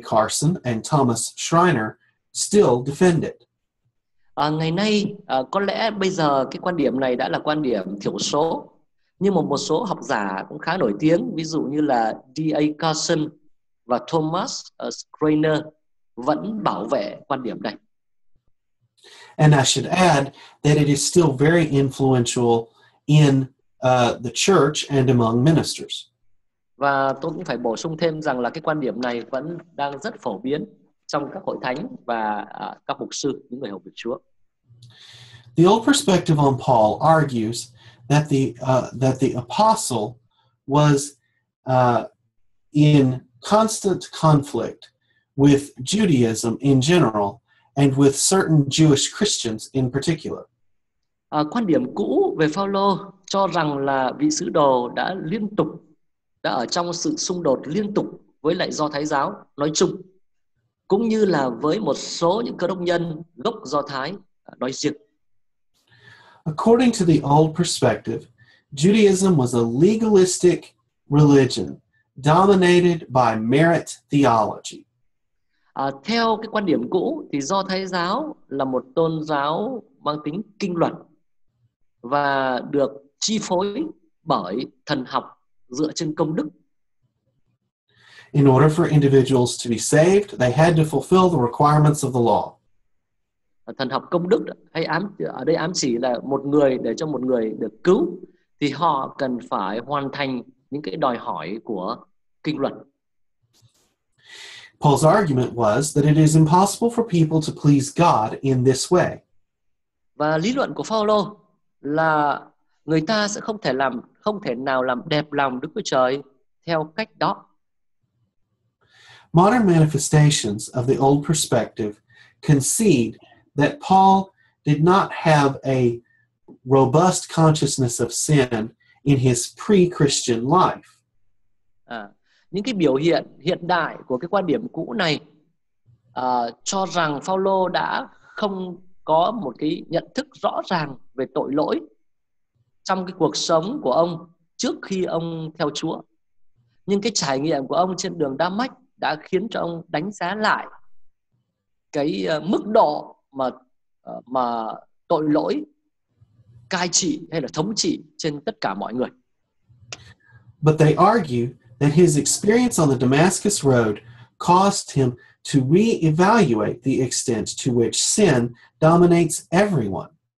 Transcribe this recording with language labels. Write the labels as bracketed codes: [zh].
[en] Carson and Thomas Schreiner still defend it. [vi] Ngày nay, có lẽ bây giờ cái quan điểm này đã là quan điểm thiểu số, nhưng mà một số học giả cũng khá nổi tiếng, ví dụ như là D.A. Carson và Thomas Schreiner vẫn bảo vệ quan điểm này. [en] And I should add that it is still very influential in the church and among ministers. [vi] Và tôi cũng phải bổ sung thêm rằng là cái quan điểm này vẫn đang rất phổ biến trong các hội thánh và các mục sư, những người hầu việc Chúa. [en] The old perspective on Paul argues that the apostle was in constant conflict with Judaism in general and with certain Jewish Christians in particular. [vi] Quan điểm cũ về Phao-lô cho rằng là vị sứ đồ đã ở trong sự xung đột liên tục với lại Do Thái giáo nói chung, cũng như là với một số những Cơ Đốc nhân gốc Do Thái nói riêng. [en] According to the old perspective, Judaism was a legalistic religion dominated by merit theology. [vi] Theo cái quan điểm cũ thì Do Thái giáo là một tôn giáo mang tính kinh luật và được chi phối bởi thần học dựa trên công đức. [en] In order for individuals to be saved, they had to fulfill the requirements of the law. [vi] Thần học công đức hay ở đây ám chỉ là một người, để cho một người được cứu thì họ cần phải hoàn thành những cái đòi hỏi của kinh luật. [en] Paul's argument was that it is impossible for people to please God in this way. [vi] Và lý luận của Phao-lô là người ta sẽ không thể nào làm đẹp lòng Đức Chúa Trời theo cách đó. [en] Modern manifestations of the old perspective concede that Paul did not have a robust consciousness of sin in his pre-Christian life. [vi] Những cái biểu hiện hiện đại của cái quan điểm cũ này cho rằng Phao-lô đã không có một cái nhận thức rõ ràng về tội lỗi trong cái cuộc sống của ông trước khi ông theo Chúa. Nhưng cái trải nghiệm của ông trên đường Đa Mách đã khiến cho ông đánh giá lại cái mức độ mà tội lỗi cai trị hay là thống trị trên tất cả mọi người. [en] But they argue that his experience on the Damascus Road caused him to reevaluate the extent to which sin dominates everyone.